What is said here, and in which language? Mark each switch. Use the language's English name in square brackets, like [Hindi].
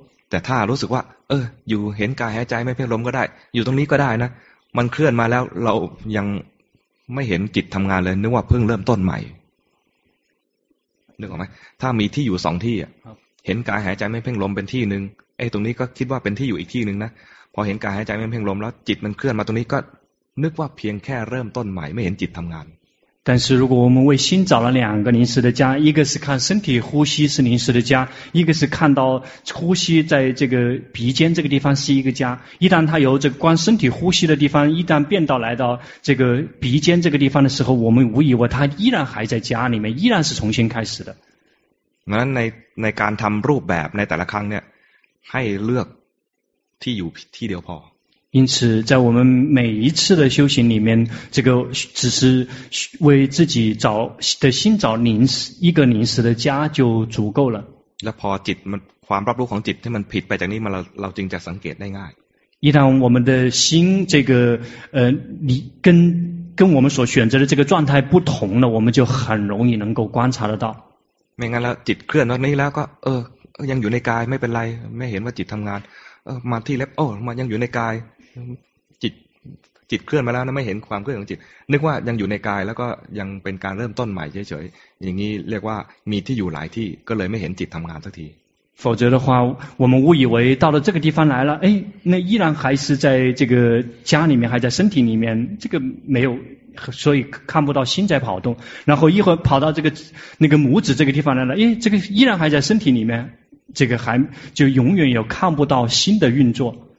[Thai] แต่ถ้ารู้สึกว่าเอออยู่เห็นกายหายใจไม่เพ่งลมก็ได้อยู่ตรงนี้ก็ได้นะมันเคลื่อนมาแล้วเรายังไม่เห็นจิตทำงานเลยนึกว่าเพิ่งเริ่มต้นใหม่นึกออกไหมถ้ามีที่อยู่สองที่ เห็นกายหายใจไม่เพ่งลมเป็นที่นึงไอ้ตรงนี้ก็คิดว่าเป็นที่อยู่อีกที่นึงนะพอเห็นกายหายใจไม่เพ่งลมแล้วจิตมันเคลื่อนมาตรงนี้ก็นึกว่าเพียงแค่เริ่มต้นใหม่ไม่เห็นจิตทำงาน [Chinese] 但是如果我们为心找了两个临时的家，一个是看身体呼吸是临时的家，一个是看到呼吸在这个鼻尖这个地方是一个家。一旦它由这个光身体呼吸的地方，一旦变到来到这个鼻尖这个地方的时候，我们无疑为它依然还在家里面，依然是重新开始的。 [Thai] 那ในการทำรูปแบบในแต่ละครั้งเนี่ยให้เลือกที่อยู่ที่เดียวพอ [Chinese] 因此在我们每一次的修行里面这个只是为自己找的心找临时一个临时的家就足够了 [Thai] และพอจิตมันความรับรู้ของจิตที่มันผิดไปจากนี้มันเราจึงจะสังเกตได้ง่าย [Chinese] 一旦我们的心这个你跟我们所选择的这个状态不同了我们就很容易能够观察得到 [Thai] ไม่งั้นแล้วจิตเคลื่อนแล้วนี้แล้วก็ยังอยู่ในกายไม่เป็นไรไม่เห็นว่าจิตทำงานมาที่เล็บโอ้มายังอยู่ในกายจิตเคลื่อนมาแล้วนะไม่เห็นความเคลื่อนของจิตนึกว่ายังอยู่ในกายแล้วก็ยังเป็นการเริ่มต้นใหม่เฉยๆอย่างนี้เรียกว่ามีที่อยู่หลายที่ก็เลยไม่เห็นจิตทำงานสักที [Chinese] 否则的话我们误以为到了这个地方来了哎那依然还是在这个家里面还在身体里面这个没有所以看不到心在跑动然后一会跑到这个那个拇指这个地方来了哎这个依然还在身体里面这个还就永远有看不到新的运作。